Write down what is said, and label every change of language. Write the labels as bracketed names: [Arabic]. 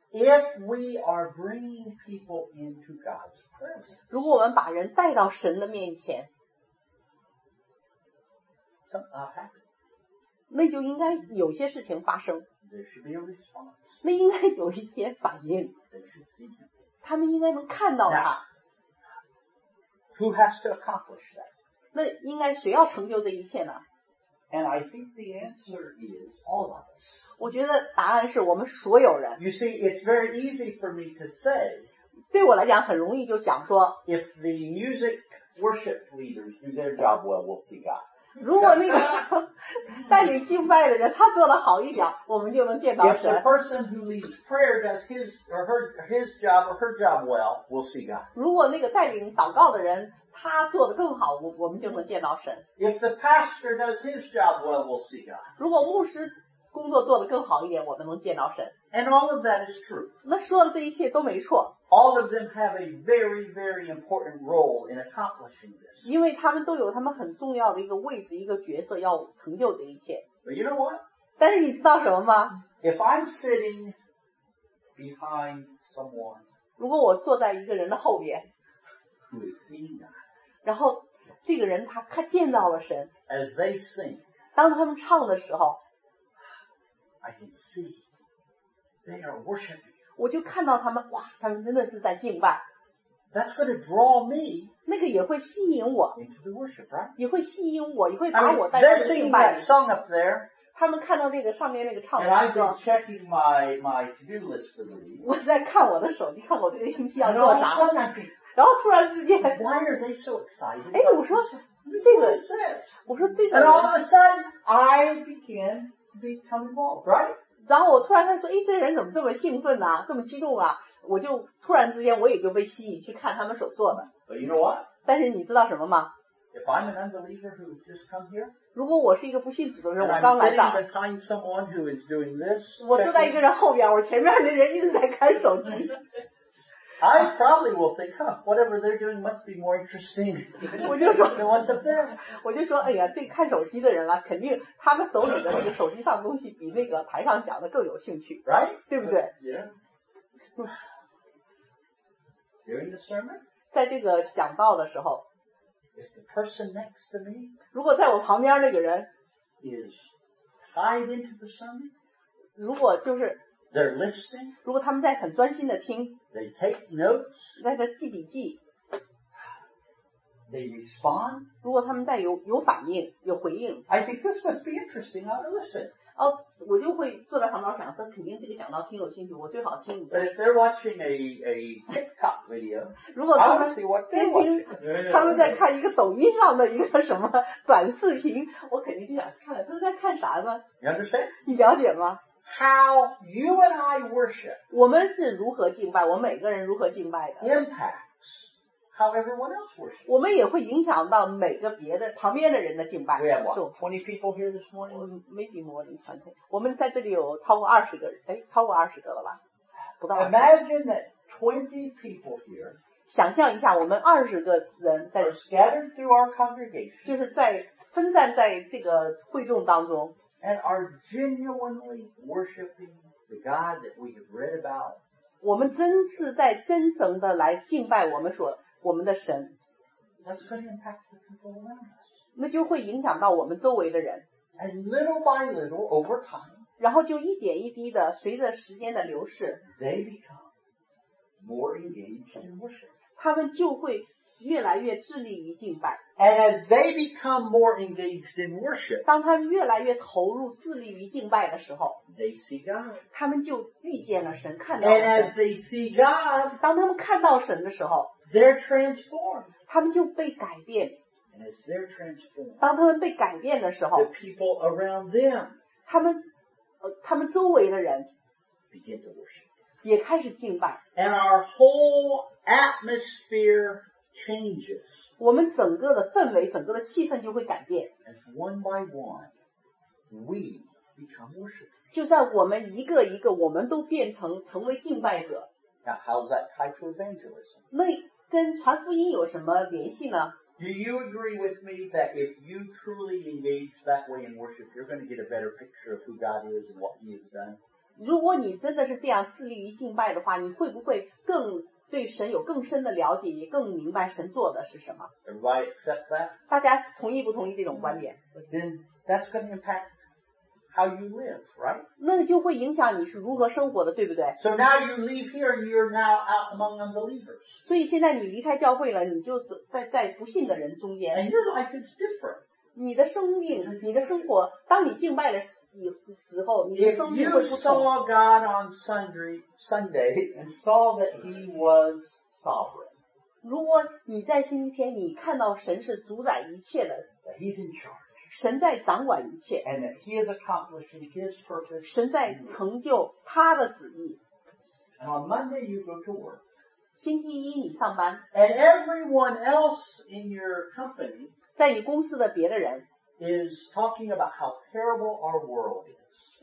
[English] If we are bringing people into God's presence, [Chinese] 如果我们把人带到神的面前那就应该有些事情发生 [English] There should be a response. [Chinese] 那应该有一些反应 [English] They should see him. [Chinese] 他们应该能看到他 [English] Now, Who has to accomplish that? [Chinese] 那应该谁要成就这一切呢 [English] And I think the answer is all of us. [Chinese] 我觉得答案是我们所有人 [English] You see, it's very easy for me to say [Chinese] 对我来讲很容易就讲说 [English] If the music worship leaders do their job well, we'll see God. [Chinese] 如果那个带领敬拜的人他做得好一点我们就能见到神。 [English] If the person who leads prayer does his or her, his job or her job well, we'll see God. [Chinese] 如果那个带领祷告的人他做得更好我们就能见到神。 [English] If the pastor does his job well, we'll see God. [Chinese] 如果牧师工作做得更好一点我们能见到神。 [English] And all of that is true. [Chinese] 那说的这一切都没错。 [English] All of them have a very, very important role in accomplishing this. [Chinese] 因为他们都有他们很重要的一个位置一个角色要成就这一切。 [English] But you know what? [Chinese] 但是你知道什么吗? [English] If I'm sitting behind someone, [Chinese] 如果我坐在一个人的后面, [English] who is seeing God, [Chinese] 然后这个人他见到了神, [English] as they sing, [Chinese] 当他们唱的时候, [English] I can see they are worshiping. [Chinese] 我就看到他们哇他们真的是在敬拜 [English] That's going to draw me [Chinese] 那个也会吸引我 [English] into the worship, right? [Chinese] 也会吸引我也会把我带到敬拜 [English] They're singing that song up there [Chinese] 他们看到那个上面那个唱歌 [English] And I've been checking my to-do list for the week [Chinese] 我在看我的手机看我这个星期要做啥 [English] And [Chinese] I, 然后突然之间 [English] Why are they so excited? [Chinese] 我说这个 [English] What is this? [Chinese] 我说这个 [English] And all of a sudden I begin to become involved, right? [Chinese] 然后我突然他说，哎，这人怎么这么兴奋啊，这么激动啊？我就突然之间我也就被吸引去看他们所做的。 [English] But you know what? [Chinese] 但是你知道什么吗 [English] ？If I'm an unbeliever who just come here, [Chinese] 如果我是一个不信主的人，我刚来到。 [English] And I'm sitting behind someone who is doing this. [Chinese] 我坐在一个人后边，我前面的人一直在看手机。 [English] I probably will think, huh, whatever they're doing must be more interesting. [Chinese] 我就说 [English] than what's up there. [Chinese] 我就说，哎呀，这看手机的人了，肯定他们手里的那个手机上的东西比那个台上讲的更有兴趣 [English] ，right? [Chinese] 对不对 [English] ？Yeah. During the sermon, [Chinese] 在这个讲道的时候 [English] ，if the person next to me, [Chinese] 如果在我旁边那个人 [English] is tied into the sermon, [Chinese] 如果就是。 [English] They're listening. [Chinese] 如果他们在很专心的听 [English] ，They take notes. [Chinese] 在那记笔记。 [English] They respond. [Chinese] 如果他们在有反应有回应 [English] ，I think this must be interesting. I'll listen. [Chinese] 哦，我就会坐在旁边想，说肯定这个讲到挺有兴趣，我最好听一下。 [English] But if they're watching a TikTok video, [Chinese] 如果他们边听，他们在看一个抖音上的一个什么短视频，我肯定就想看，他们在看啥呢 [English] ？You understand? [Chinese] 你了解吗？ [English] How you and I worship. [Chinese] 我们是如何敬拜，我们每个人如何敬拜的。 [English] Impacts how everyone else worships. [Chinese] 我们也会影响到每个别的旁边的人的敬拜。 [English] We have what? 20 people here this morning? Maybe more than 20. [Chinese] 我们在这里有超过20个人，哎，超过20个了吧？不到。 [English] Imagine that 20 people here. [Chinese] 想象一下，我们20个人在。 [English] Are scattered through our congregation. [Chinese] 就是在分散在这个会众当中。 [English] And are genuinely worshiping the God that we have read about. [Chinese] 我们真是在真诚的来敬拜我们的神。 [English] That's going to impact the people around us. [Chinese] 那就会影响到我们周围的人。 [English] And little by little, over time. [Chinese] 然后就一点一滴的随着时间的流逝。 [English] They become more engaged in worship. [Chinese] 他们就会越来越致力于敬拜。 [English] And as they become more engaged in worship, [Chinese] 当他们越来越投入致力于敬拜的时候 [English] they see God. [Chinese] 他们就遇见了神看到了神。 [English] And as they see God, [Chinese] 当他们看到神的时候 [English] they're transformed. [Chinese] 他们就被改变。 [English] And as they're transformed, [Chinese] 当他们被改变的时候 [English] the people around them, [Chinese] 他们周围的人 [English] begin to worship. [Chinese] 也开始敬拜。 [English] And our whole atmosphere changes. [Chinese] 我们整个的氛围整个的气氛就会改变。 [English] As one by one, we [Chinese] 就像我们一个一个，我们都变成成为敬拜者。 [English] Now, how's that tied to evangelism? [Chinese] 那跟传福音有什么联系呢？ [English] Do you agree with me that if you truly engage that way in worship, you're going to get a better picture of who God is and what He has done? [Chinese] 如果你真的是这样致力于敬拜的话，你会不会更对神有更深的了解，也更明白神做的是什么？ [English] Everybody accept that? [Chinese] 大家同意不同意这种观点？ [English] But then that's going to impact how you live, right? [Chinese] 那就会影响你是如何生活的，对不对？ [English] So now you leave here, you're now out among unbelievers. [Chinese] 所以现在你离开教会了，你就在不信的人中间。 [English] And your life is different. [Chinese] 你的生命，你的生活，当你敬拜了 [English] If you saw God on Sunday and saw that He was sovereign, [Chinese] 如果你在星期天你看到神是主宰一切的 [English] that He's in charge, [Chinese] 神在掌管一切 [English] and that He is accomplishing His purpose, [Chinese] 神在成就他的旨意 [English] and on Monday you go to work, [Chinese] 星期一你上班 [English] and everyone else in your company, [Chinese] 在你公司的别的人 [English] Is talking about how terrible our world is.